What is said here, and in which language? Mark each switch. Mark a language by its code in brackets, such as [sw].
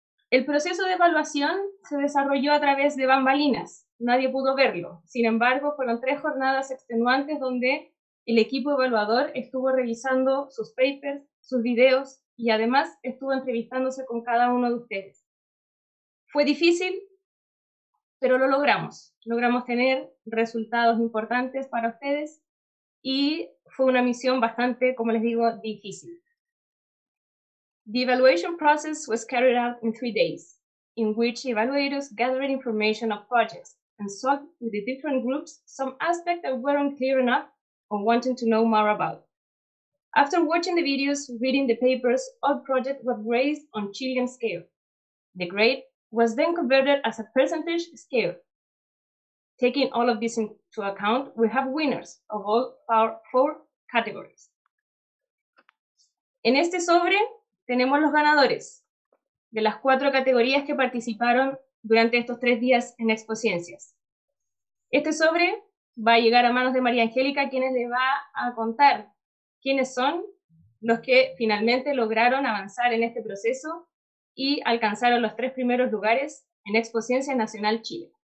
[es] El proceso de evaluación se desarrolló a través de bambalinas, nadie pudo verlo, sin embargo, fueron 3 jornadas extenuantes donde el equipo evaluador estuvo revisando sus papers, sus videos, y además estuvo entrevistándose con cada uno de ustedes. Fue difícil, pero lo logramos. Logramos tener resultados importantes para ustedes y fue una misión bastante, como les digo, difícil. [en] The evaluation process was carried out in 3 days, in which evaluators gathered information of projects and sought with the different groups some aspects that weren't clear enough or wanting to know more about. After watching the videos, reading the papers, all projects were graded on Chilean scale. The grade was then converted as a percentage scale. Taking all of this into account, we have winners of all our 4 categories. [es] En este sobre tenemos los ganadores de las 4 categorías que participaron durante estos 3 días en Expociencias. Este sobre va a llegar a manos de María Angélica, quien le va a contar quiénes son los que finalmente lograron avanzar en este proceso y alcanzaron los 3 primeros lugares en Expociencia Nacional Chile.